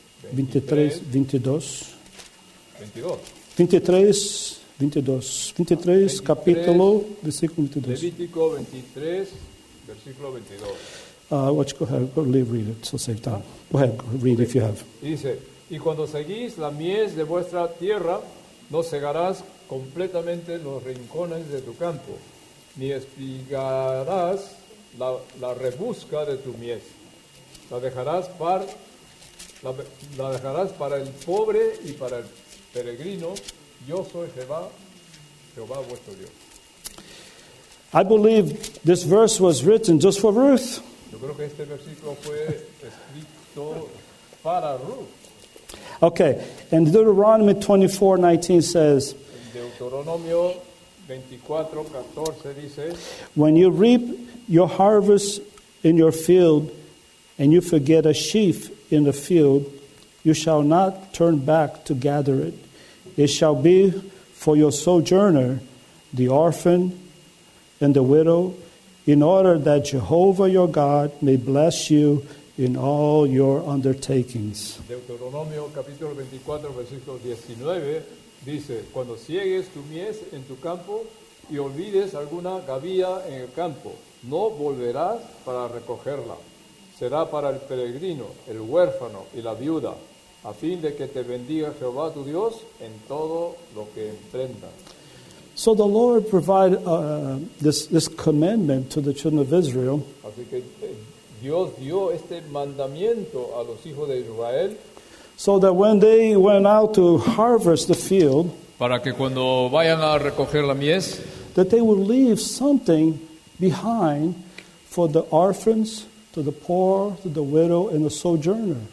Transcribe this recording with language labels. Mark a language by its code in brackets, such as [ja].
[es] Dice, y cuando seguís la mies de vuestra tierra, no segarás completamente los rincones de tu campo, ni espigarás la rebusca de tu mies. La dejarás para el pobre y para el peregrino. Yo soy Jehová vuestro Dios. [en] I believe this verse was written just for Ruth. [es] Yo creo que este versículo fue escrito para Ruth. [en] Okay, and Deuteronomy 24:19 says, [es] Deuteronomio 24:14 dice, [en] when you reap your harvest in your field and you forget a sheaf in the field, you shall not turn back to gather it. It shall be for your sojourner, the orphan and the widow, in order that Jehovah your God may bless you in all your undertakings. [es] Deuteronomio capítulo 24, versículo 19 dice, cuando siegues tu mies en tu campo y olvides alguna gavilla en el campo, no volverás para recogerla. Será para el peregrino, el huérfano y la viuda, a fin de que te bendiga Jehová tu Dios en todo lo que emprendas. [en] So the Lord provided this commandment to the children of Israel. [es] Así que Dios dio este mandamiento a los hijos de Israel. [en] So that when they went out to harvest the field, [es] para que cuando vayan a recoger la mies, [en] that they would leave something behind for the orphans, to the poor, to the widow, and the sojourner.